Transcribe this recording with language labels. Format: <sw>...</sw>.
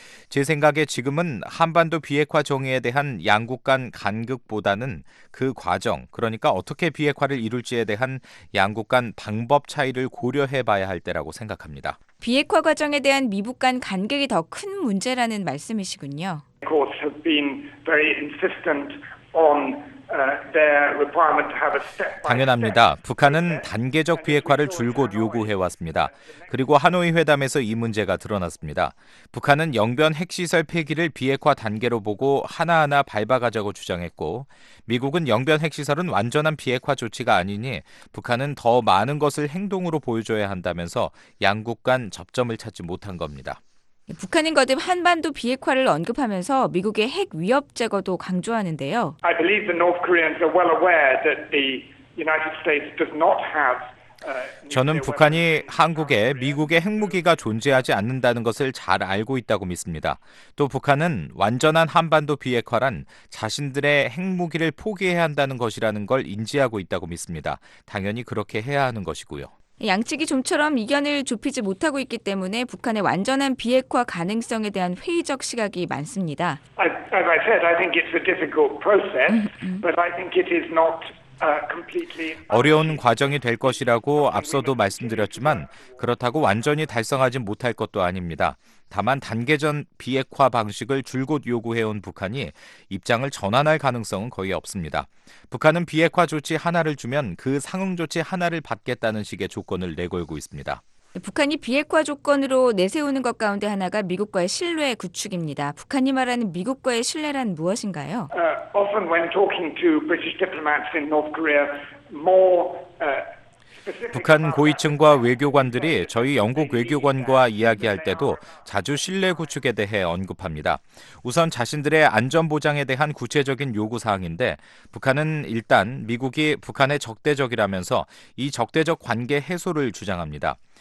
<ko>제 생각에 지금은 한반도 비핵화 정의에 대한 양국 간 간극보다는 그 과정, 그러니까 어떻게 비핵화를 이룰지에 대한 양국 간 방법 차이를 고려해봐야 할 때라고 생각합니다. 비핵화 과정에 대한 미북 간 간극이 더 큰 문제라는 말씀이시군요.</ko> <en>Been very insistent on their requirement to have a step.</en> <ko>당연합니다. 북한은 단계적 비핵화를 줄곧 요구해왔습니다. 그리고 하노이 회담에서 이 문제가 드러났습니다. 북한은 영변 핵시설 폐기를 비핵화 단계로 보고 하나하나 밟아가자고 주장했고 미국은 영변 핵시설은 완전한 비핵화 조치가 아니니 북한은 더 많은 것을 행동으로 보여줘야 한다면서 양국 간 접점을 찾지 못한 겁니다. 북한은 거듭 한반도 비핵화를 언급하면서 미국의 핵 위협 제거도 강조하는데요.</ko> <en>I believe the North Koreans are well aware that the United States does not have</en> <ko>저는 북한이 한국에 미국의 핵무기가 존재하지 않는다는 것을 잘 알고 있다고 믿습니다. 또 북한은 완전한 한반도 비핵화란 자신들의 핵무기를 포기해야 한다는 것이라는 걸 인지하고 있다고 믿습니다. 당연히 그렇게 해야 하는 것이고요. 양측이 좀처럼 이견을 좁히지 못하고 있기 때문에 북한의 완전한 비핵화 가능성에 대한 회의적 시각이 많습니다.</ko> <en>As I said, I think it's a difficult process, but I think it is not</en> <ko>어려운 과정이 될 것이라고 앞서도 말씀드렸지만 그렇다고 완전히 달성하지 못할 것도 아닙니다. 다만 단계전 비핵화 방식을 줄곧 요구해온 북한이 입장을 전환할 가능성은 거의 없습니다. 북한은 비핵화 조치 하나를 주면 그 상응 조치 하나를 받겠다는 식의 조건을 내걸고 있습니다. 북한이 비핵화 조건으로 내세우는 것 가운데 하나가 미국과의 신뢰 구축입니다. 북한이 말하는 미국과의 신뢰란 무엇인가요?</ko> <en>Often when talking to British diplomats in North Korea, more</en> <ko>북한 고위층과 외교관들이 저희 영국 외교관과 이야기할 때도 자주 신뢰 구축에 대해 언급합니다. 우선 자신들의 안전보장에 대한 구체적인 요구사항인데 북한은 일단 미국이 북한의 적대적이라면서 이 적대적 관계 해소를 주장합니다.</ko>